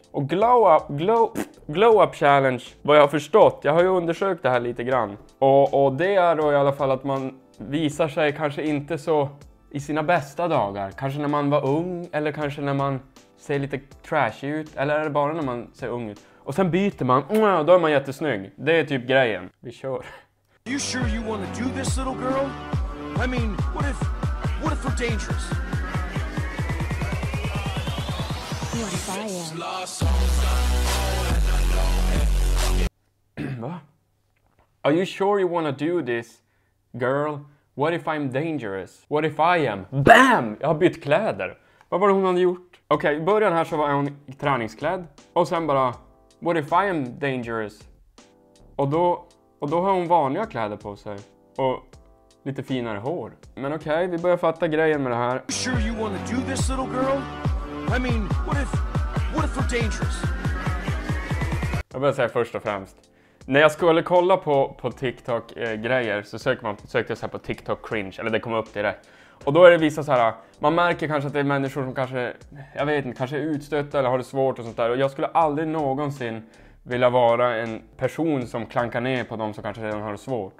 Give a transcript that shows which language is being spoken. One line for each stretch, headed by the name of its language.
Swedish: Och glow up challenge, vad jag har förstått, jag har ju undersökt det här lite grann. Och det är då i alla fall att man visar sig kanske inte så i sina bästa dagar. Kanske när man var ung, eller kanske när man ser lite trashy ut. Eller är det bara när man ser ung ut? Och sen byter man, och då är man jättesnygg. Det är typ grejen. Vi kör.
English: Are you sure you want to do this, little girl? I mean, what if we're dangerous?
Swedish: Va?
English: Are you sure you wanna do this, girl? What if I'm dangerous? What if I am? BAM!
Swedish: Jag har bytt kläder. Vad var det hon hade gjort? Okej, i början här så var hon träningsklädd. Och sen bara,
English: what if I am dangerous?
Swedish: Och då har hon vanliga kläder på sig. Och lite finare hår. Men okej, vi börjar fatta grejen med det här.
English: Are you sure you wanna do this, little girl? I mean, what if we're dangerous?
Swedish: Jag vill säga först och främst. När jag skulle kolla på TikTok-grejer så sökte jag så här på TikTok cringe, eller det kom upp direkt. Och då är det vissa så här, man märker kanske att det är människor som kanske, jag vet inte, kanske är utstötta eller har det svårt och sånt där. Och jag skulle aldrig någonsin vilja vara en person som klankar ner på dem som kanske redan har det svårt.